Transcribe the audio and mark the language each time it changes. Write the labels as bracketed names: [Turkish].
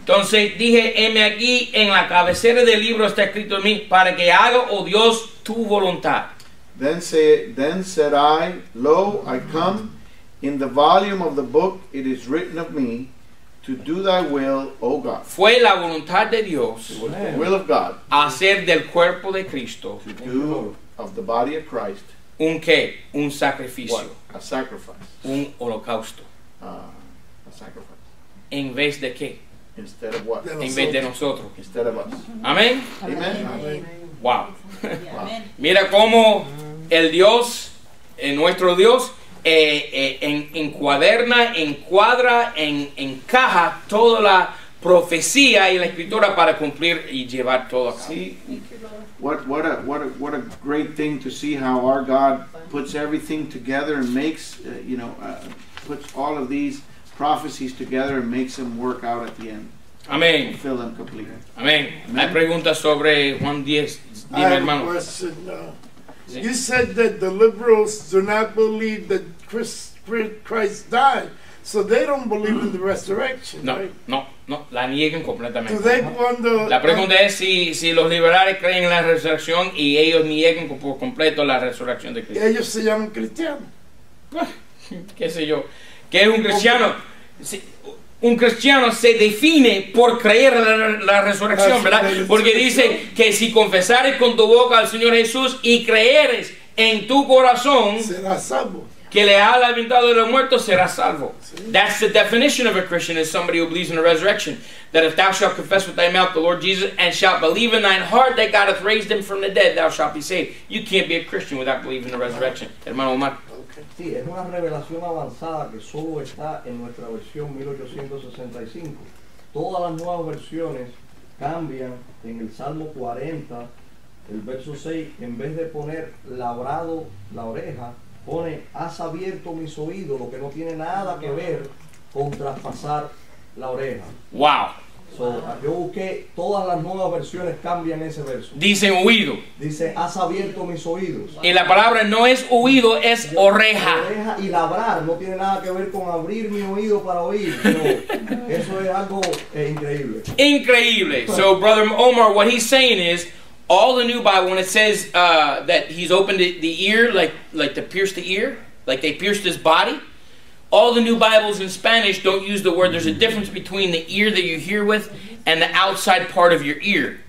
[Spanish] Entonces dije, heme aquí en la cabecera del libro está escrito en mí, para que haga, oh Dios, tu voluntad. [English] Then said I, lo, I come, in the volume of the book it is written of me, to do thy will, O God. [Spanish] Fue la voluntad de Dios. [English] It was the will of God. [Spanish] Hacer del cuerpo de Cristo. [English] To do of the body of Christ. [Spanish] ¿Un qué? Un sacrificio. [English] What? A sacrifice. [Spanish] Un holocausto. [English] A sacrifice. [Spanish] ¿En vez de qué? [English] Instead of what? [Spanish] En vez de nosotros. [English] Instead of us. [Spanish] Amén. [English] Amen. Wow. [Spanish] Mira cómo el Dios, nuestro Dios, encuadra, encaja toda la profecía y la escritura para cumplir y llevar todo a cabo. [English] See, what a great thing to see how our God puts everything together and makes, puts all of these prophecies together and makes them work out at the end. [Spanish] Amén. [English] Fill them complete. [Spanish] Amén. Hay preguntas sobre Juan 10. Dime, hermano. [English] I have a question. You said that the liberals do not believe that Christ died, so they don't believe in the resurrection, no, right? [Spanish] No, la niegan completamente. [English] Do they wonder, [Spanish] la pregunta es si los liberales creen en la resurrección y ellos niegan por completo la resurrección de Cristo. Ellos se llaman cristianos. ¿Qué sé yo? ¿Qué es un cristiano? Sí. Un cristiano se define por creer en la resurrección, ¿verdad? Porque dice que si confesares con tu boca al Señor Jesús y creeres en tu corazón, serás salvo. Que le ha levantado de los muertos, serás salvo. Sí. [English] That's the definition of a Christian, is somebody who believes in the resurrection. That if thou shalt confess with thy mouth the Lord Jesus and shalt believe in thine heart that God hath raised him from the dead, thou shalt be saved. You can't be a Christian without believing in the resurrection. [Spanish] Hermano Omar. Sí, es una revelación avanzada que solo está en nuestra versión 1865. Todas las nuevas versiones cambian en el Salmo 40, el verso 6, en vez de poner labrado la oreja, pone has abierto mis oídos, lo que no tiene nada que ver con traspasar la oreja. [English] Wow. [Spanish] So, yo busqué, todas las nuevas versiones cambian ese verso. Dicen oído. Dice, has abierto mis oídos. Y la palabra no es oído, es yo, oreja. Oreja y labrar, no tiene nada que ver con abrir mi oído para oír. Eso es algo increíble. Increíble. [English] So, Brother Omar, what he's saying is, all the new Bible, when it says that he's opened the ear, like to pierce the ear, like they pierced his body, all the new Bibles in Spanish don't use the word. There's a difference between the ear that you hear with and the outside part of your ear.